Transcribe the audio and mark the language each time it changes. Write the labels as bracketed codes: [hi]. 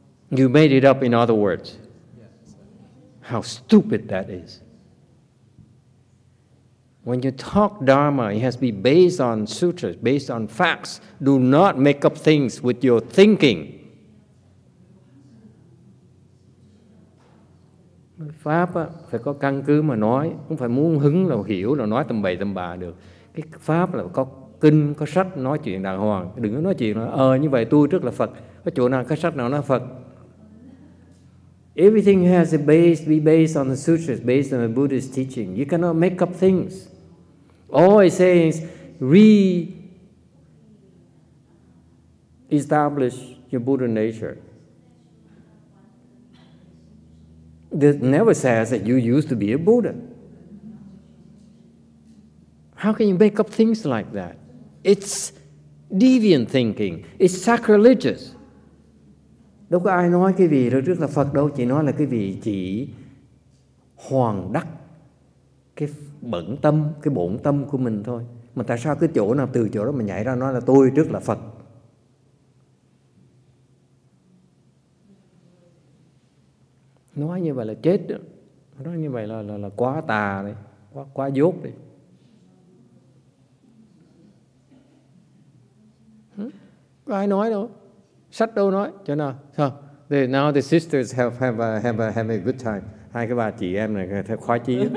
[en] You made it up, in other words. Yes. How stupid that is. When you talk Dharma, it has to be based on sutras, based on facts. Do not make up things with your thinking. [vi] Pháp á, phải có căn cứ mà nói, không phải muốn hứng là hiểu là nói tầm bậy tầm bạ được. Cái pháp là có kinh, có sách nói chuyện đàng hoàng. Đừng có nói chuyện là như vậy tôi trước là Phật. Có chỗ nào có sách nào nói Phật. [en] Everything has a base, be based on the sutras, based on the Buddhist teaching. You cannot make up things. All it says is re-establish your Buddha nature. That never says that you used to be a Buddha. How can you make up things like that? It's deviant thinking. It's sacrilegious. [vi] Đâu có ai nói cái vị trước là Phật đâu. Chỉ nói là cái vị chỉ hoàng đắc cái bẩn tâm, cái bổn tâm của mình thôi. Mà tại sao cái chỗ nào từ chỗ đó mà nhảy ra nói là tôi trước là Phật? Nói như vậy là chết đó. Nói như vậy là quá tà đấy, quá dốt đấy. Có ai nói đâu? Sách đâu nói? Cho nào? [en] So, now the sisters have a good time. [vi] Hai cái bà chị em này theo khoái chí.